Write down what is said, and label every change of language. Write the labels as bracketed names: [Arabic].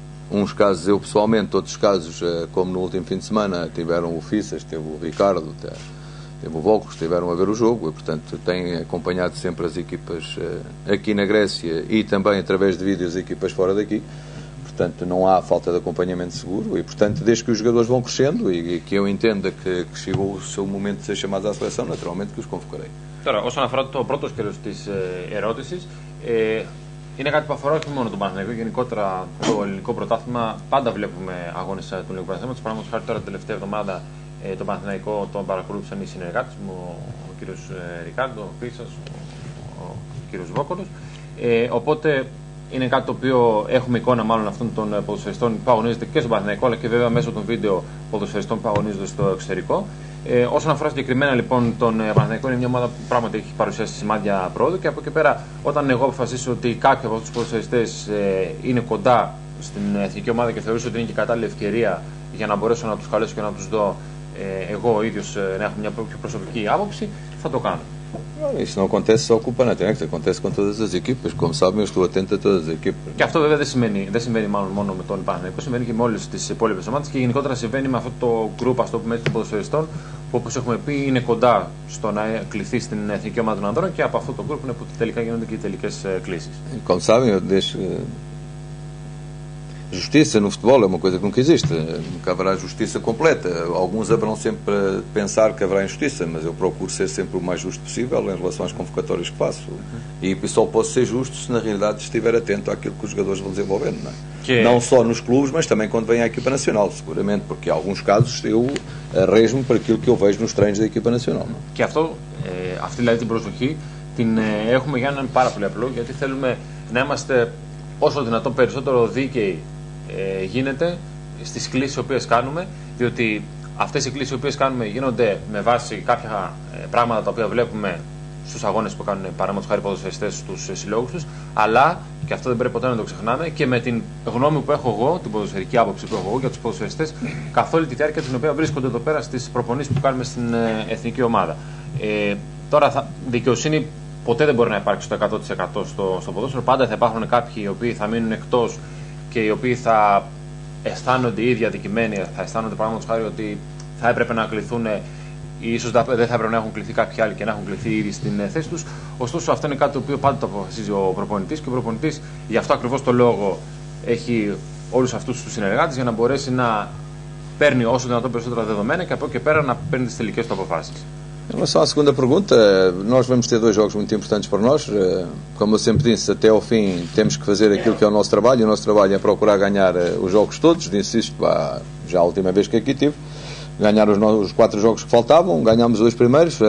[Portuguese] Uns casos eu pessoalmente, outros casos, como no último fim de semana, tiveram o Fissas, teve o Ricardo, teve o Volkos, tiveram a ver o jogo, e portanto tenho acompanhado sempre as equipas aqui na Grécia e também através de vídeos equipas fora daqui. Portanto, não há falta de acompanhamento seguro e, portanto, desde que os jogadores vão crescendo e que eu entenda que chegou o seu momento de ser chamados à seleção, naturalmente que os convocarei. Agora, [Greek] όσον αφορά το πρώτο σκέλος της ερώτησης, είναι κάτι που αφορά όχι μόνο τον Παναθηναϊκό, γενικότερα το ελληνικό πρωτάθλημα. Πάντα βλέπουμε αγώνες του ελληνικού πρωταθλήματος. Παραδείγματος χάρη, τώρα την τελευταία εβδομάδα τον Παναθηναϊκό τον παρακολούθησαν οι συνεργάτες μου, ο κύριος Ρικάρντο, ο Πίσας, ο κύριος Βόκολος. Οπότε είναι κάτι το οποίο έχουμε εικόνα μάλλον αυτών των ποδοσφαιριστών που αγωνίζεται και στον Παναθηναϊκό αλλά και βέβαια μέσω των βίντεο ποδοσφαιριστών που αγωνίζονται στο εξωτερικό. Όσον αφορά συγκεκριμένα λοιπόν τον Παναθηναϊκό, είναι μια ομάδα που πράγματι έχει παρουσιάσει σημάδια πρόοδου και από εκεί πέρα, όταν εγώ αποφασίσω ότι κάποιοι από αυτούς τους ποδοσφαιριστές είναι κοντά στην εθνική ομάδα και θεωρούσα ότι είναι και κατάλληλη ευκαιρία για να μπορέσω να τους καλέσω και να τους δω εγώ ο ίδιος να έχω μια πιο προσωπική άποψη, θα το κάνω. [Portuguese] Isso não acontece só com o Panathinaikos, acontece com todas as equipas. Como sabem, eu estou atento a todas as equipas. [Greek] Και αυτό βέβαια δεν συμβαίνει μάλλον μόνο με τον Παναθηναϊκό, συμβαίνει και με όλες τις υπόλοιπες ομάδες και γενικότερα συμβαίνει με αυτό το group, ας το πούμε, των ποδοσφαιριστών που όπως έχουμε πει είναι κοντά στο να κληθεί στην Εθνική Ομάδα των Ανδρών και από αυτό το group είναι που τελικά γίνονται και οι τελικές κλήσεις. [Portuguese] Como sabem, eu deixo... Justiça no futebol é uma coisa que nunca existe. Nunca haverá justiça completa. Alguns haverão sempre a pensar que haverá injustiça, mas eu procuro ser sempre o mais justo possível em relação às convocatórias que faço. E só posso ser justo se na realidade estiver atento àquilo que os jogadores vão desenvolvendo. Não, é? Que... não só nos clubes, mas também quando vem à equipa nacional, seguramente, porque em alguns casos eu arrejo-me para aquilo que eu vejo nos treinos da equipa nacional. Não é? Que afto, afto, lá, tipo, aqui, tem, [Greek] έχουμε για έναν πάρα πολύ απλό, γιατί θέλουμε να είμαστε όσο δυνατόν περισσότερο δίκαιοι. Γίνεται στις κλήσεις οι οποίες κάνουμε, διότι αυτές οι κλήσεις οι οποίες κάνουμε γίνονται με βάση κάποια πράγματα τα οποία βλέπουμε στους αγώνες που κάνουν παραδείγματος χάρη ποδοσφαιριστές στους συλλόγους τους, αλλά και αυτό δεν πρέπει ποτέ να το ξεχνάμε και με την γνώμη που έχω εγώ, την ποδοσφαιρική άποψη που έχω εγώ για τους ποδοσφαιριστές καθ' όλη τη διάρκεια την οποία βρίσκονται εδώ πέρα στις προπονήσεις που κάνουμε στην εθνική ομάδα. Τώρα, δικαιοσύνη ποτέ δεν μπορεί να υπάρξει το 100% στο ποδόσφαιρο. Πάντα θα υπάρχουν κάποιοι οι οποίοι θα μείνουν εκτός και οι οποίοι θα αισθάνονται ήδη αδικημένοι, θα αισθάνονται παραδείγματος χάρη ότι θα έπρεπε να κληθούν ή ίσως δεν θα έπρεπε να έχουν κληθεί κάποιοι άλλοι και να έχουν κληθεί ήδη στην θέση τους. Ωστόσο, αυτό είναι κάτι το οποίο πάντα το αποφασίζει ο προπονητής και ο προπονητής γι' αυτό ακριβώς το λόγο έχει όλους αυτούς τους συνεργάτες για να μπορέσει να παίρνει όσο δυνατόν περισσότερα δεδομένα και από εκεί πέρα να παίρνει τις τελικές του αποφάσεις. [Portuguese] Em relação à segunda pergunta, nós vamos ter dois jogos muito importantes para nós. Como eu sempre disse, até ao fim temos que fazer aquilo que é o nosso trabalho. O nosso trabalho é procurar ganhar os jogos todos. Disse isto já a última vez que aqui estive. Ganhar os quatro jogos que faltavam. Ganhámos os dois primeiros.